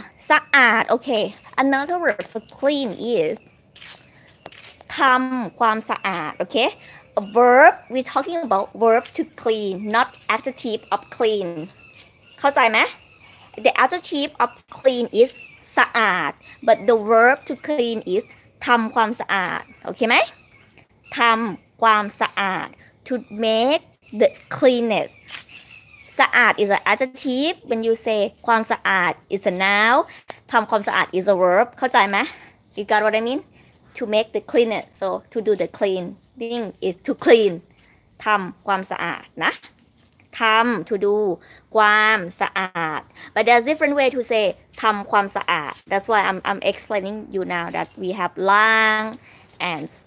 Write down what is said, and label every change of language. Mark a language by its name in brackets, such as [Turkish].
[English] สะอาดโอเค another word for clean is ทำความสะอาดโอเค a verb we're talking about verb to clean not adjective of clean [Thai] เข้าใจไหม [English] the adjective of clean is สะอาด but the verb to clean is ทำความสะอาด [Thai] โอเคไหมทำความสะอาด [English] To make the cleanness, สะอาด is an adjective. When you say ความสะอาด is a noun. ทำความสะอาด is a verb. [Thai] เข้าใจไหม [English] You got what I mean? To make the cleanness, so to do the cleaning is to clean. [Thai] ทำความสะอาดนะ [English] ทำ to do ความสะอาด But there's different way to say ทำความสะอาด That's why I'm explaining you now that we have ล้าง and